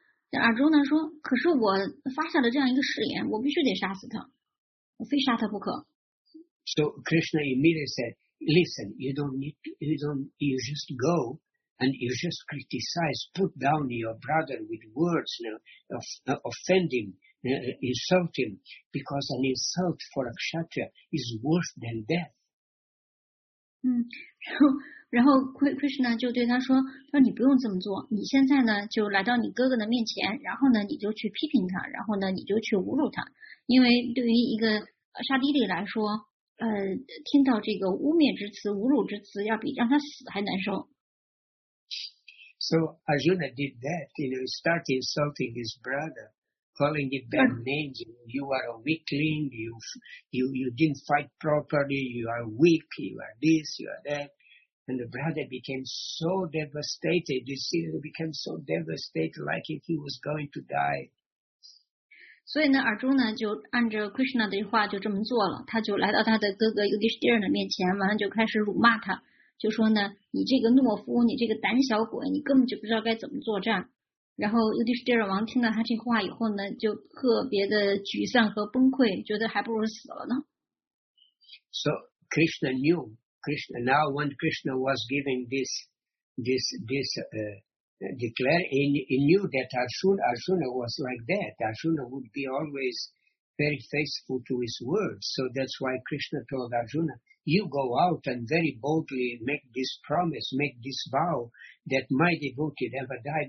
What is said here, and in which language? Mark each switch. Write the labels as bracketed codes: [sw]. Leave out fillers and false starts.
[zh] 但Arjuna说，可是我发下了这样一个誓言，我必须得杀死他，我非杀他不可。 [en] So Krishna immediately said, listen, you just go. And you just criticize, put down your brother with words, you know, offend him, insult him, because an insult for a kshatriya is worse than death. [zh] 然后 Krishna 就对他说，他说你不用这么做，你现在呢就来到你哥哥的面前，然后呢你就去批评他，然后呢你就去侮辱他，因为对于一个沙地利来说，听到这个污蔑之词、侮辱之词，要比让他死还难受。 [en] So Arjuna did that, you know, he started insulting his brother, calling him bad names, you are a weakling, you didn't fight properly, you are weak, you are this, you are that. And the brother became so devastated, you see, he became so devastated, like if he was going to die. [zh] 所以呢，尔朱呢就按着 Krishna 的话就这么做了，他就来到他的哥哥 Yudhishthira 的面前，完了就开始辱骂他。就说呢，你这个懦夫，你这个胆小鬼，你根本就不知道该怎么作战。然后尤迪士帝尔王听到他这话以后呢，就特别的沮丧和崩溃，觉得还不如死了呢。 [en] So Krishna knew Krishna. Now when Krishna was giving this declaration, he knew that Arjuna was like that. Arjuna would be always very faithful to his words. So that's why Krishna told Arjuna. You go out and very boldly make this promise, make this vow that my devotee never die.